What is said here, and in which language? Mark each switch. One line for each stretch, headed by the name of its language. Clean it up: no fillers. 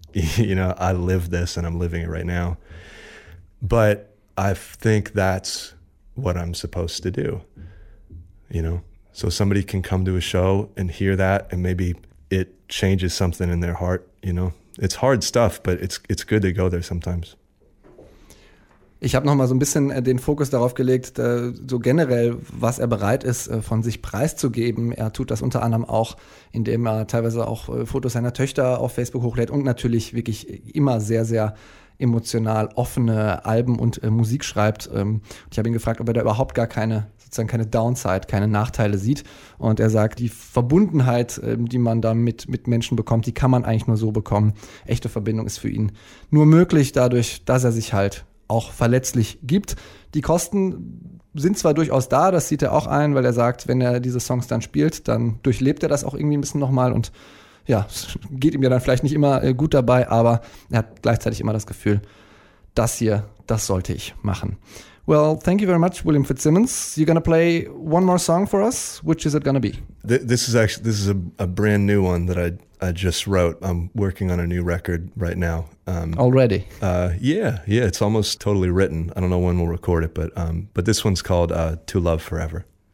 English: You know, I live this and I'm living it right now. But I think that's what I'm supposed to do, you know? So somebody can come to a show and hear that, and maybe it changes something in their heart, you know? It's hard stuff, but it's good to go there sometimes.
German: Ich habe nochmal so ein bisschen den Fokus darauf gelegt, so generell, was er bereit ist, von sich preiszugeben. Er tut das unter anderem auch, indem er teilweise auch Fotos seiner Töchter auf Facebook hochlädt und natürlich wirklich immer sehr, sehr emotional offene Alben und Musik schreibt. Ich habe ihn gefragt, ob er da überhaupt gar keine, sozusagen keine Downside, keine Nachteile sieht. Und er sagt, die Verbundenheit, die man da mit Menschen bekommt, die kann man eigentlich nur so bekommen. Echte Verbindung ist für ihn nur möglich, dadurch, dass er sich halt auch verletzlich gibt. Die Kosten sind zwar durchaus da, das sieht er auch ein, weil er sagt, wenn er diese Songs dann spielt, dann durchlebt er das auch irgendwie ein bisschen nochmal und ja, geht ihm ja dann vielleicht nicht immer gut dabei, aber er hat gleichzeitig immer das Gefühl, das hier, das sollte ich machen.
English: Well, thank you very much, William Fitzsimmons. You're gonna play one more song for us. Which is it gonna be? This is a brand new one that I just wrote. I'm working on a new record right now. Already? Yeah. It's almost totally written. I don't know when we'll record it, but this one's called "To Love Forever."